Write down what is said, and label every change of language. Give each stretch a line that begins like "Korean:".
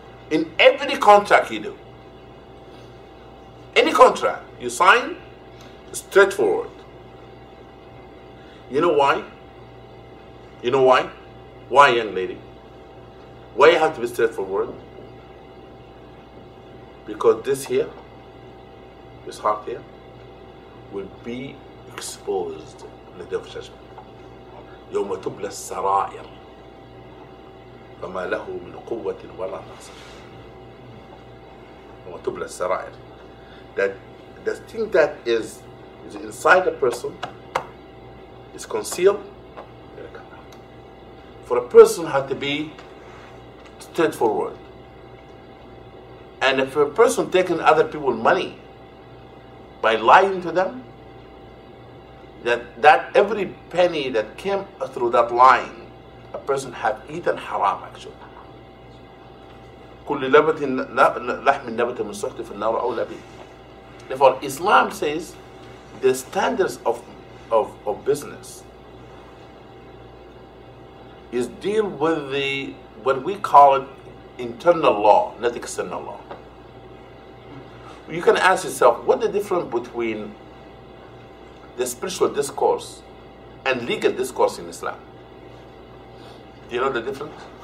English: In every contract you do, any contract you sign, straightforward. You know why? You know why? Why, young lady? Why you have to be straightforward? Because this heart here, will be exposed in the day of judgment.
Arabic: يوم تبلى السرائر فما له من قوة ولا نصر. يوم تبلى السرائر.
English: That the thing that is inside a person is concealed. For a person had to be straightforward. And if a person taking other people's money by lying to them, that every penny that came through that line, a person had eaten haram actually.
Arabic: كل لحم نبت من سحت في النار أولى به.
English: Therefore, Islam says the standards of business is deal with the what we call it internal law, not external law. You can ask yourself, what the difference between the spiritual discourse and legal discourse in Islam? Do you know the difference?